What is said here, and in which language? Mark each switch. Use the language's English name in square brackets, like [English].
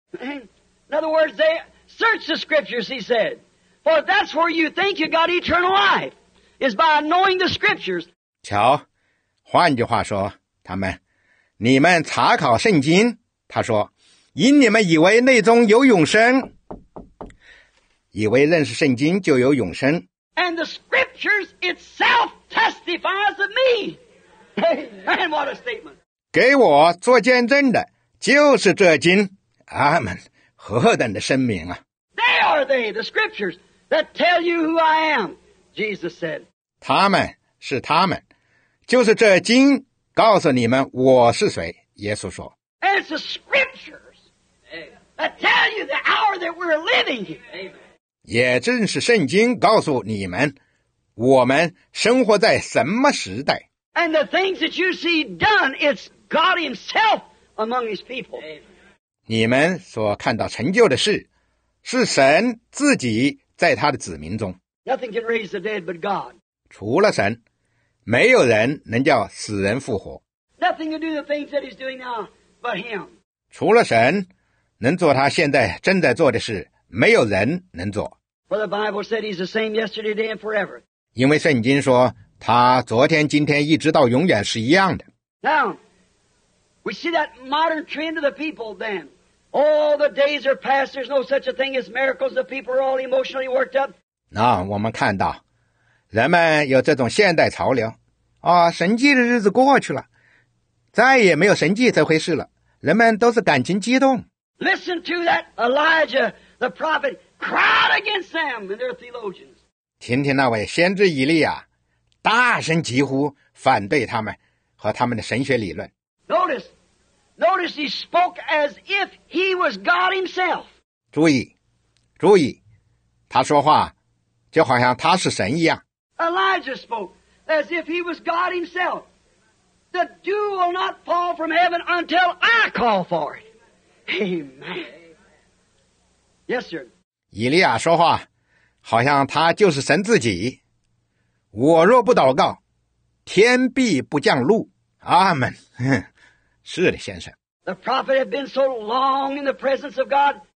[English] In other words, they search the scriptures, he said. For that's where you think you got eternal life, is by knowing the scriptures. [Chinese] 瞧。换句话说，他们，你们查考圣经，他说，因你们以为内中有永生，以为认识圣经就有永生。 [English] And the scriptures itself testifies of me. And what a statement! [Chinese] 给我做见证的就是这经，阿们，何等的声明啊！ [English] They are they, the scriptures that tell you who I am, Jesus said. [Chinese] 他们是他们。就是这经告诉你们我是谁，耶稣说。 [English] And it's the scriptures that tell you the hour that we're living in. [Chinese] 也正是圣经告诉你们，我们生活在什么时代。 [English] And the things that you see done, it's God Himself among His people. [Chinese] 你们所看到成就的事，是神自己在他的子民中。 [English] Nothing can raise the dead but God. [Chinese] 除了神。没有人能叫死人复活。 [English] Nothing can do the things that he's doing now but him. [Chinese] 除了神能做他现在正在做的事，没有人能做。 [English] For the Bible said he's the same yesterday, today, and forever. [Chinese] 因为圣经说他昨天今天一直到永远是一样的。 [English] Now, we see that modern trend of the people then. All the days are past, there's no such a thing as miracles. The people are all emotionally worked up. [Chinese] 那我们看到人们有这种现代潮流啊，神迹的日子过去了，再也没有神迹这回事了，人们都是感情激动。 [English] Listen to that Elijah, the prophet, cried against them and their theologians. [Chinese] 听听那位先知以利亚大声疾呼反对他们和他们的神学理论。 [English] Notice he spoke as if he was God himself. [Chinese] 注意他说话就好像他是神一样。 [English] Elijah spoke as if he was God himself. The dew will not fall from heaven until I call for it. Amen. Yes, sir. [Chinese] 以利亚说话好像他就是神自己。我若不祷告，天必不降露。阿们。是的，先生。 [English] The prophet had been so long in the presence of God.